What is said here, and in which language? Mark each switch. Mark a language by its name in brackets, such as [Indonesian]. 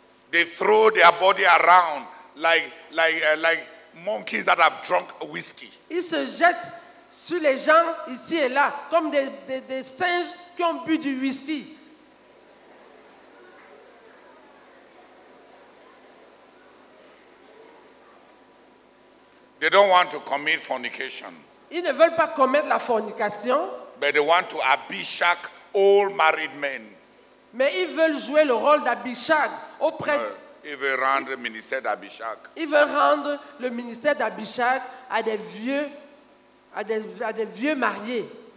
[English] They throw their body around like monkeys that have drunk whiskey. [French] Ils se jettent sur les gens ici et là comme des singes qui ont bu du whisky. [English] They They don't want to commit fornication. [French] Ils ne veulent pas commettre la fornication. [English] But they want to abishak all married men. [French] Mais ils veulent jouer le rôle d'Abishag auprès. Ils veulent rendre le ministère d'Abishag. Ils veulent rendre le ministère d'Abishag à des vieux, à des vieux mariés.